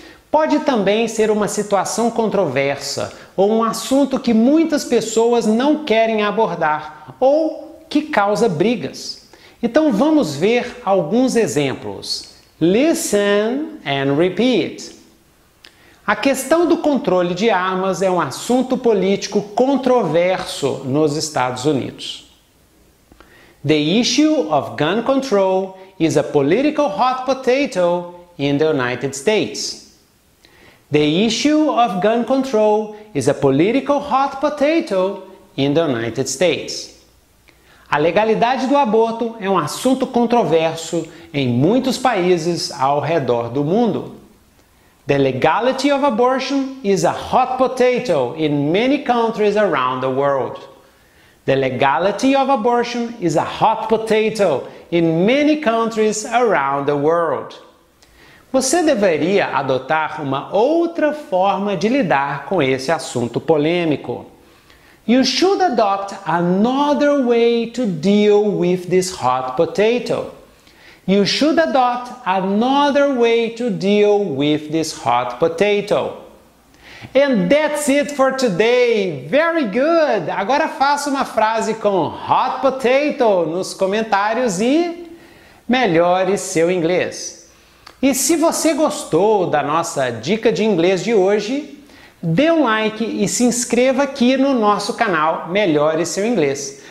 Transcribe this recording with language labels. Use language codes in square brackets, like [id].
[pt] Pode também ser uma situação controversa ou um assunto que muitas pessoas não querem abordar ou que causa brigas. Então vamos ver alguns exemplos. [en] Listen and repeat. [pt] A questão do controle de armas é um assunto político controverso nos Estados Unidos. [en] The issue of gun control is a political hot potato in the United States. The issue of gun control is a political hot potato in the United States. [pt] A legalidade do aborto é um assunto controverso em muitos países ao redor do mundo. [en] The legality of abortion is a hot potato in many countries around the world. The legality of abortion is a hot potato in many countries around the world. [pt] Você deveria adotar uma outra forma de lidar com esse assunto polêmico. [en] You should adopt another way to deal with this hot potato. You should adopt another way to deal with this hot potato. And that's it for today. Very good. [pt] Agora faça uma frase com [en] hot potato [pt] nos comentários e melhore seu inglês. E se você gostou da nossa dica de inglês de hoje, dê um like e se inscreva aqui no nosso canal Melhore Seu Inglês.